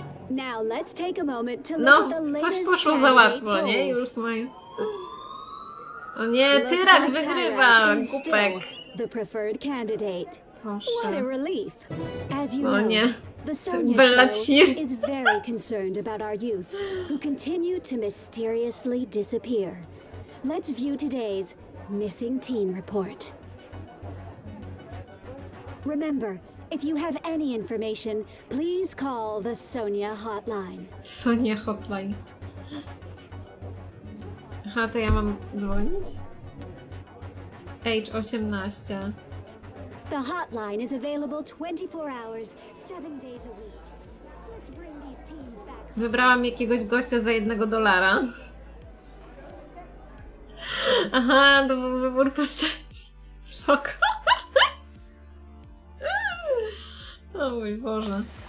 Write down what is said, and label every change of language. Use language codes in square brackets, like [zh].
[en] Now let's take a moment to look at the latest candidate polls. [pl] No, coś poszło za łatwo, nie? Już mają. O nie, Tyrak wygrywa, kupek. [en] The preferred candidate. What a relief. As you know, the Sonia Show is very concerned about our youth, who continue to mysteriously disappear. Let's view today's missing teen report. Remember, if you have any information, please call the Sonia Hotline. Sonia Hotline. [pl] Aha, to ja mam dzwonić? H18. [en] The hotline is available 24 hours, 7 days a week. Let's bring these teens back. [pl] Wybrałam jakiegoś gościa za $1. Aha, to był wybór postaci. Spoko. O mój Boże.